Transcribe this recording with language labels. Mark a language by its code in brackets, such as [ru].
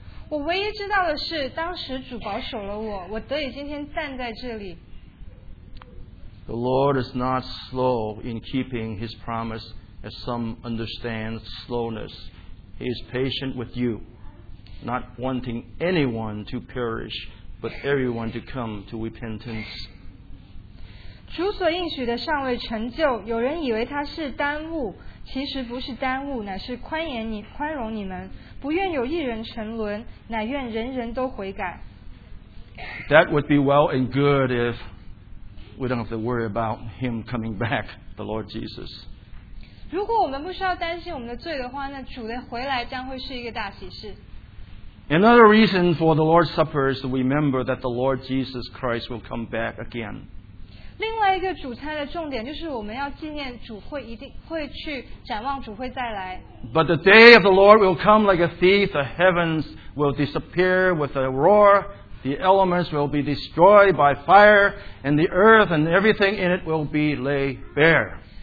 [zh] 我唯一知道的是，当时主保守了我，我得以今天站在这里。 [en] The Lord is not slow in keeping His promise, as some understand slowness. He is patient with you, not wanting anyone to perish, but everyone to come to repentance. [zh] 主所应许的尚未成就，有人以为他是耽误，其实不是耽误，乃是宽严你，宽容你们，不愿有一人沉沦，乃愿人人都悔改。 [en] That would be well and good if we don't have to worry about him coming back, the Lord Jesus. [zh] 如果我们不需要担心我们的罪的话，那主的回来将会是一个大喜事。 [en] Another reason for the Lord's Supper is to remember that the Lord Jesus Christ will come back again. [zh] 另外一个主餐的重点就是我们要纪念主会一定会去展望主会再来。 [en] But the day of the Lord will come like a thief, the heavens will disappear with a roar, the elements will be destroyed by fire, and the earth and everything in it will be laid bare.